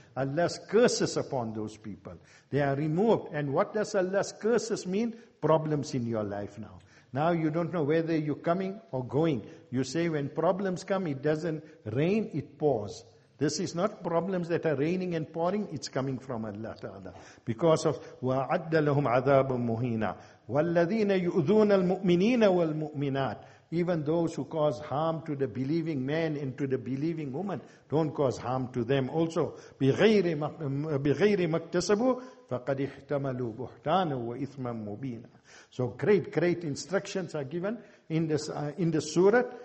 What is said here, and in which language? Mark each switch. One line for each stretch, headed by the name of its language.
English: Allah's curses upon those people. They are removed. And what does Allah's curses mean? Problems in your life now. Now you don't know whether you're coming or going. You say when problems come, it doesn't rain, it pours. This is not problems that are raining and pouring. It's coming from Allah Ta'ala. Because of
Arabic: وَعَدَّ لَهُمْ عَذَابٌ مُهِينًا وَالَّذِينَ يُؤْذُونَ الْمُؤْمِنِينَ وَالْمُؤْمِنَاتِ.
English: Even those who cause harm to the believing man and to the believing woman, don't cause harm to them also.
Arabic: بِغَيْرِ مَكْتَسَبُوا فَقَدْ اِحْتَمَلُوا بُحْتَانًا وَإِثْمًا مُبِينًا.
English: So great, great instructions are given in this surah.